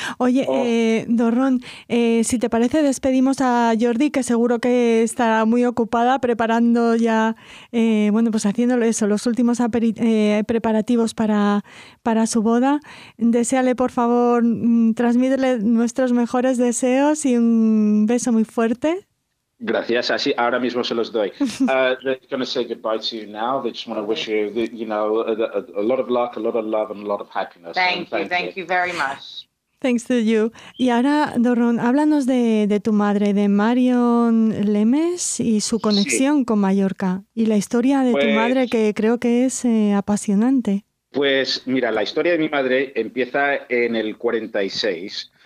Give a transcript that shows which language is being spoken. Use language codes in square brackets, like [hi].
[es] Oye, Dorrón, si te parece, despedimos a Jordi, que seguro que estará muy ocupada preparando ya... bueno, pues haciéndolo eso, los últimos preparativos para su boda. Deséale, por favor, transmítele nuestros mejores deseos y un beso muy fuerte. Gracias. Así, ahora mismo se los doy. [en] They're going to say goodbye to you now. They just want to wish you, you know, a lot of luck, a lot of love, and a lot of happiness. Thank you very much. Thanks to you. [es] Y ahora, Dorrón, háblanos de tu madre, de Marion Lemes y su conexión, sí, con Mallorca y la historia de tu madre, que creo que es apasionante. Pues mira, la historia de mi madre empieza en el 46.